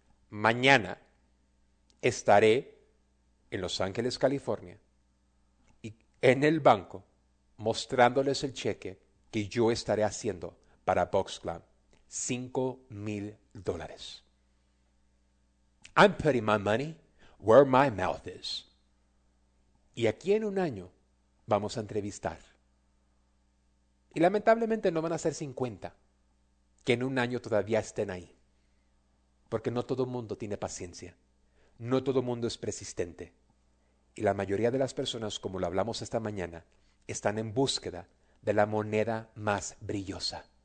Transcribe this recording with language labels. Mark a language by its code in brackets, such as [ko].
[es] Mañana estaré en Los Ángeles, California, y en el banco, mostrándoles el cheque que yo estaré haciendo para Box Club. $5,000. [en] I'm putting my money where my mouth is. [es] Y aquí en un año vamos a entrevistar. Y lamentablemente no van a ser 50 que en un año todavía estén ahí. Porque no todo mundo tiene paciencia. No todo mundo es persistente. Y la mayoría de las personas, como lo hablamos esta mañana, están en búsqueda de la moneda más brillosa.